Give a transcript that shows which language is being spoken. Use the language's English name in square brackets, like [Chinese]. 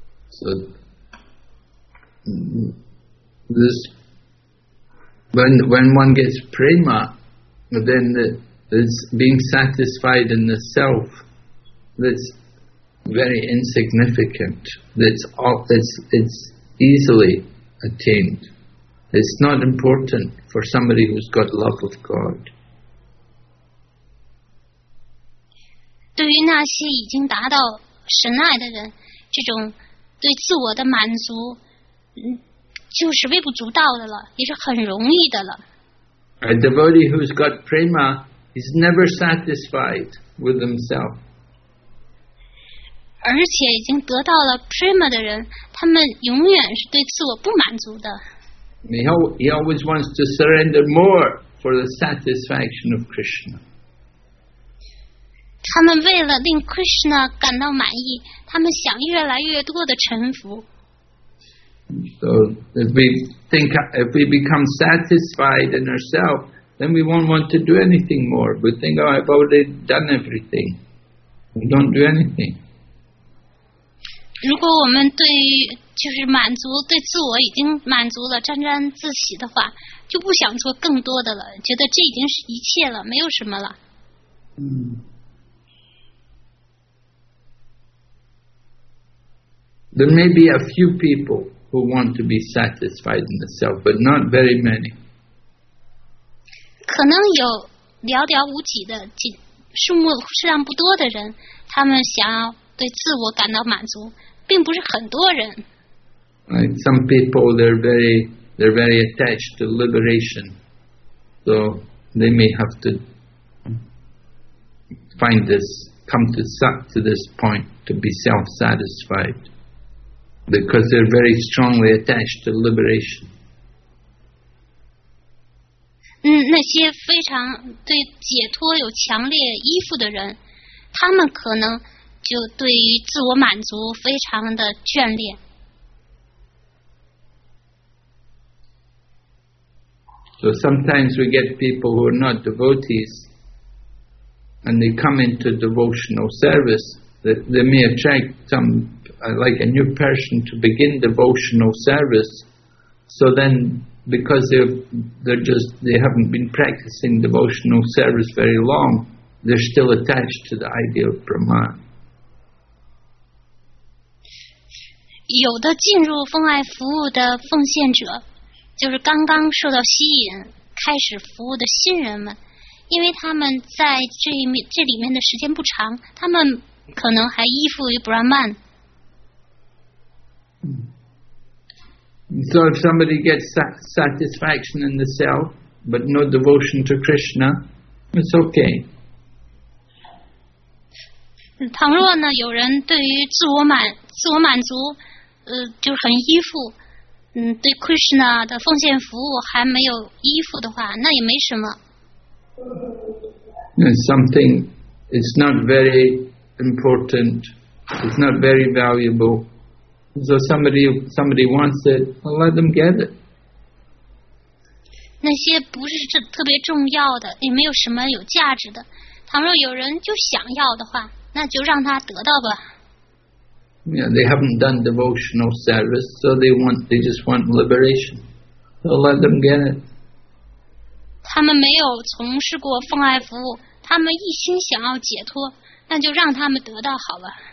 [English] So, this when one gets prema, then is being satisfied in the self, that's very insignificant, that's easily attained. It's not important for somebody who's got love of God. [Chinese] 对于那些已经达到神爱的人，这种对自我的满足，就是微不足道的了，也是很容易的了。 [English] A devotee who's got prema,He's never satisfied with himself. [Chinese] 而且已经得到了 prema 的人，他们永远是对自我不满足的。 [English] He always wants to surrender more for the satisfaction of Krishna. [Chinese] 他们为了令 Krishna 感到满意，他们想越来越多的臣服。 [English] So if we become satisfied in ourselves,then we won't want to do anything more. We think, oh, I've already done everything. We don't do anything. [Chinese] 如果我们对就是满足对自我已经满足了沾沾自喜的话，就不想做更多的了，觉得这已经是一切了，没有什么了。 [English] There may be a few people who want to be satisfied in the self, but not very many. [Chinese] 可能有寥寥无几的数目数量不多的人，他们想要对自我感到满足，并不是很多人。 [English] Like some people, they're very attached to liberation, so they may have to find this, come to this point to be self-satisfied, because they're very strongly attached to liberation. [Chinese] 那些非常对解脱有强烈依附的人，他们可能就对于自我满足非常的眷恋。 [English] So sometimes we get people who are not devotees, and they come into devotional service. That they may attract some, like a new person to begin devotional service. So then. Because they haven't been practicing devotional service very long, they're still attached to the idea of Brahman. [Chinese] 有的进入奉爱服务的奉献者，就是刚刚受到吸引开始服务的新人们，因为他们在这里面的时间不长，他们可能还依附于 Brahman。 [English] So if somebody gets satisfaction in the self, but no devotion to Krishna, it's okay. [Chinese] 倘若呢，有人对于自我满足，就是很依附，对 Krishna 的奉献服务还没有依附的话，那也没什么。 [English] And something is not very important. It's not very valuable. So somebody wants it, I'll let them get it. [Chinese] 那些不是特别重要的，也没有什么有价值的。倘若有人就想要的话，那就让他得到吧。 [English] Yeah, they haven't done devotional service, so they just want liberation. So let them get it. [Chinese] 他们没有从事过奉爱服务，他们一心想要解脱，那就让他们得到好了。